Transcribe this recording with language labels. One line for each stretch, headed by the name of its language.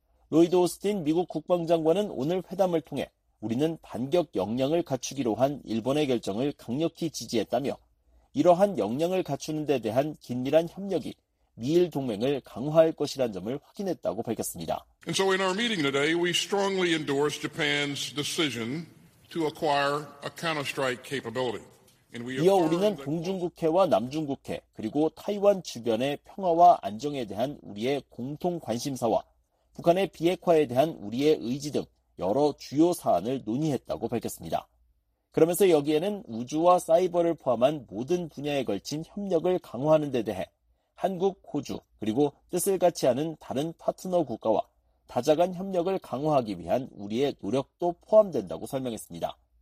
Korean: 로이드 오스틴 미국 국방장관은 오늘 회담을 통해 우리는 반격 역량을 갖추기로 한 일본의 결정을 강력히 지지했다며 이러한 역량을 갖추는 데 대한 긴밀한 협력이 미일 동맹을 강화할 것이라는 점을 확인했다고 밝혔습니다.
English: And so in our meeting today, we strongly endorse Japan's decision to acquire a counter-strike capability.
Korean: 이어 우리는 동중국해와 남중국해 그리고 타이완 주변의 평화와 안정에 대한 우리의 공통 관심사와 북한의 비핵화에 대한 우리의 의지 등 여러 주요 사안을 논의했다고 밝혔습니다. 그러면서 여기에는 우주와 사이버를 포함한 모든 분야에 걸친 협력을 강화하는 데 대해 한국, 호주 그리고 뜻을 같이 하는 다른 파트너 국가와 다자간 협력을 강화하기 위한 우리의 노력도 포함된다고 설명했습니다.